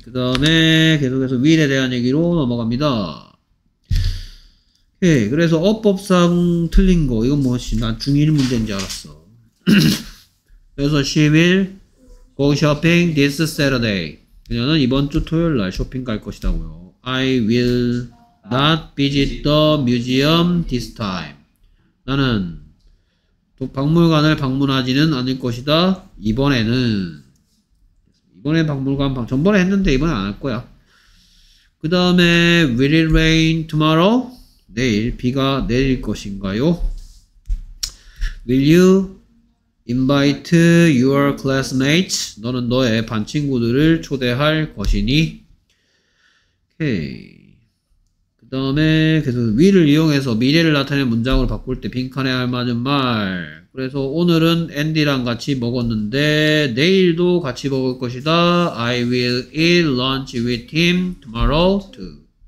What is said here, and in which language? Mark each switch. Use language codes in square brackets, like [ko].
[ko] 그 다음에 계속해서 will에 대한 얘기로 넘어갑니다. 오케이. 그래서 어법상 틀린 거. 이건 뭐지? 난 중1 문제인 줄 알았어. [en] 그래서 she will go shopping this Saturday. [ko] 그녀는 이번 주 토요일 날 쇼핑 갈 것이다고요. [en] I will not visit the museum this time. [ko] 나는 박물관을 방문하지는 않을 것이다. 이번에 박물관 전번에 했는데 이번에 안 할 거야. 그 다음에 [en] will it rain tomorrow? [ko] 내일 비가 내릴 것인가요? [en] Will you invite your classmates? [ko] 너는 너의 반 친구들을 초대할 것이니? 오케이. 그 다음에 계속 will을 이용해서 미래를 나타내는 문장으로 바꿀 때 빈칸에 알맞은 말. 그래서 오늘은 앤디랑 같이 먹었는데 내일도 같이 먹을 것이다. [en] I will eat lunch with him tomorrow too.